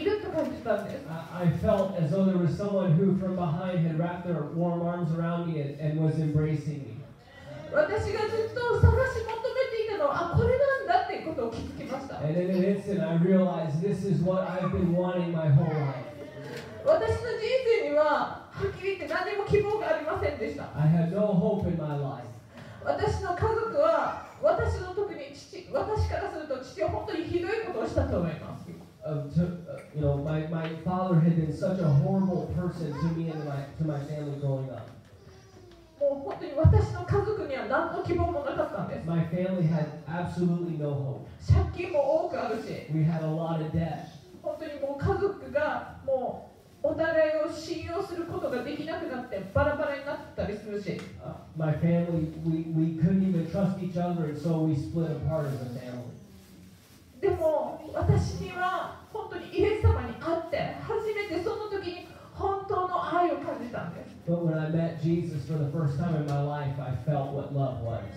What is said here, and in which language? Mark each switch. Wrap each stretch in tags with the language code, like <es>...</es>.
<en>I felt as though there was someone who from behind had wrapped their warm arms around me and was embracing me. And in an instant I realized this is what I've been wanting my whole life.</en> <ja>私の人生にははっきり言って何にも希望がありませんでした。</ja> <en>I had no hope in my life.</en> <ja>私の家族は私の特に父私からすると父は本当にひどいことをしたと思います。</ja> <en>You know, my father had been such a horrible person to me and to my family growing up.</en> <ja>もう本当に私の家族には何の希望もなかったんです。</ja> <en>My family had absolutely no hope.</en> <ja>借金も多くあるし。</ja> <en>We had a lot of debt.</en> <ja>本当にもう家族がもう。お互いを信用することができなくなってバラバラになったりするし。</ja> <en>My family, we couldn't even trust each other, so we split apart as a family.</en> <ja>でも私には本当にイエス様に会って初めてその時に本当の愛を感じたんです。</ja> <en>But when I met Jesus for the first time in my life, I felt what love was.</en>